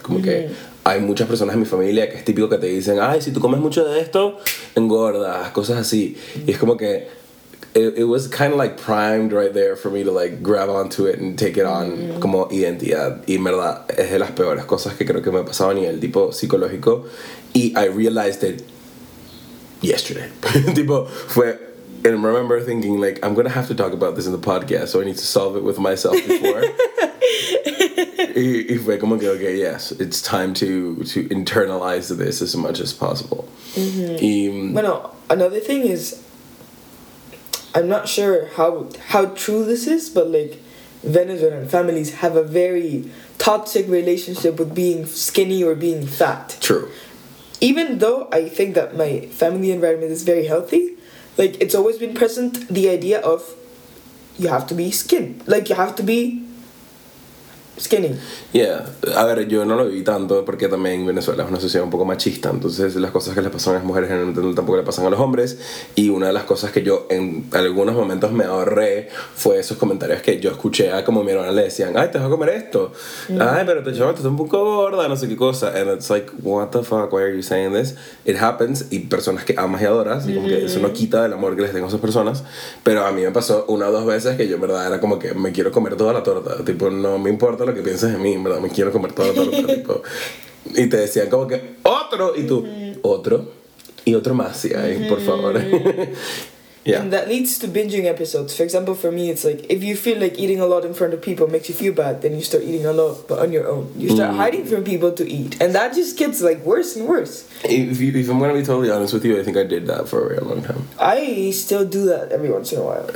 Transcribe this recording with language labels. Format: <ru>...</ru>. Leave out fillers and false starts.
<es>Como mm-hmm. que hay muchas personas en mi familia que es típico que te dicen, ay, si tú comes mucho de esto, engordas, cosas así. Mm-hmm.</es> <en>Y es como que, it was kind of like primed right there for me to, like, grab onto it and take it on mm-hmm.</en> <es>como identidad. Y en verdad es de las peores cosas que creo que me ha pasado a nivel tipo psicológico.</es> <en>Y I realized it yesterday. Tipo, fue, and I remember thinking, like, I'm going to have to talk about this in the podcast, so I need to solve it with myself before. Y fue como que, okay, yes, it's time to internalize this as much as possible. Mm-hmm. Y, bueno, another thing is, I'm not sure how true this is, but, like, Venezuelan families have a very toxic relationship with being skinny or being fat. True. Even though I think that my family environment is very healthy, like, it's always been present the idea of you have to be skinny. Like, you have to be skinny.</en> <es>Yeah. A ver, yo no lo vi tanto porque también Venezuela es una sociedad un poco machista. Entonces, las cosas que le pasan a las mujeres generalmente no tampoco le pasan a los hombres. Y una de las cosas que yo en algunos momentos me ahorré fue esos comentarios que yo escuché a como mi hermana le decían, ay, te vas a comer esto. Mm-hmm. Ay, pero te chaval, estás un poco gorda, no sé qué cosa.</es> <en>And it's like, what the fuck, why are you saying this? It happens.</en> <es>Y personas que amas y adoras, mm-hmm. y como que eso no quita del amor que les tengo a esas personas. Pero a mí me pasó una o dos veces que yo en verdad era como que me quiero comer toda la torta. Tipo, no me importa lo que pienses de mí, en verdad me quiero comer toda la torta. Tipo. Y te decían como que, otro, y tú, mm-hmm. otro, y otro más, sí, ahí, mm-hmm. por favor.</es> <en>Yeah. And that leads to binging episodes. For example, for me, it's like, if you feel like eating a lot in front of people makes you feel bad, then you start eating a lot, but on your own. You start hiding from people to eat. And that just gets, like, worse and worse. If I'm going to be totally honest with you, I think I did that for a very long time. I still do that every once in a while.</en>